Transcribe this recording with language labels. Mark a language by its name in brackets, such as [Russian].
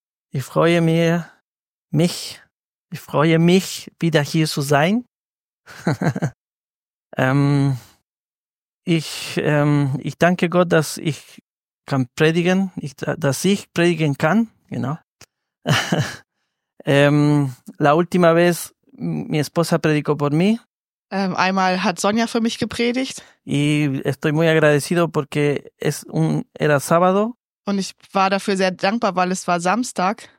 [German] Ich freue mich, wieder hier zu sein. ich danke Gott, dass ich kann predigen, dass ich predigen kann, genau. [Spanish] la última vez, mi esposa predicó por mí. [German] Einmal hat Sonja für mich gepredigt. [Spanish] Y estoy muy agradecido porque era sábado. [German] Und ich war dafür sehr dankbar, weil es war Samstag.